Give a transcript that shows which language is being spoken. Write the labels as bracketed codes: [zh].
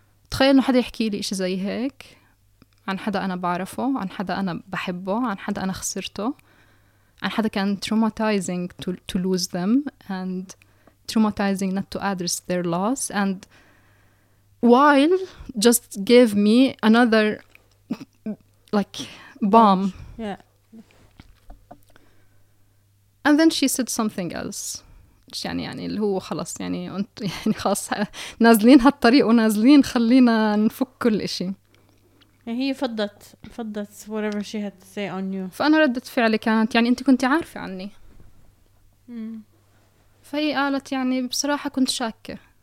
[ar] تخيل إنه حدا يحكي لي إشي زي هيك عن حدا أنا بعرفه عن حدا أنا بحبه عن حدا أنا خسرته عن حدا كان [en] traumatizing to lose them and traumatizing not to address their loss and while just gave me another like bomb. Yeah. And then she said something else. [ar] يعني اللي هو خلص يعني أنت يعني خلاص نازلين هالطريق ونازلين خلينا نفك كل إشي. هي فضت [en] whatever she had to say on you. [ar] فأنا ردت فعلي كانت يعني أنت كنت عارفة عني. فهي قالت يعني بصراحة كنت شاكة.